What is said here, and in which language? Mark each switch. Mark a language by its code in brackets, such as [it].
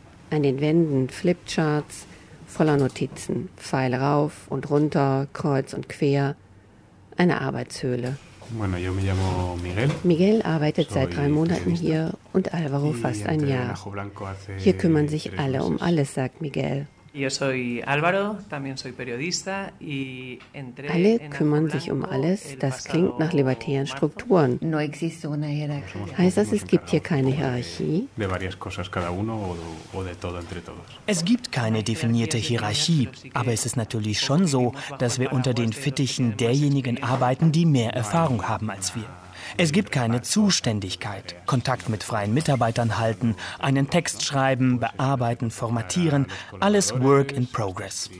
[de] An den Wänden Flipcharts, voller Notizen, Pfeil rauf und runter, kreuz und quer, eine Arbeitshöhle. [es] Bueno, yo me llamo Miguel. [de] Miguel arbeitet seit 3 Monaten hier und Alvaro fast ein Jahr. Hier kümmern sich alle um alles, sagt Miguel. [es] Yo soy Álvaro, también soy periodista y entré en [de] Alle kümmern sich um alles, das klingt nach libertären Strukturen. [es] No existe una hierarquía. [de] Heißt das, es gibt hier keine Hierarchie? [es] De varias cosas cada uno o de todo entre todos. [de] Es gibt keine definierte Hierarchie, aber es ist natürlich schon so, dass wir unter den Fittichen derjenigen arbeiten, die mehr Erfahrung haben als wir. Es gibt keine Zuständigkeit. Kontakt mit freien Mitarbeitern halten, einen Text schreiben, bearbeiten, formatieren, alles Work in Progress.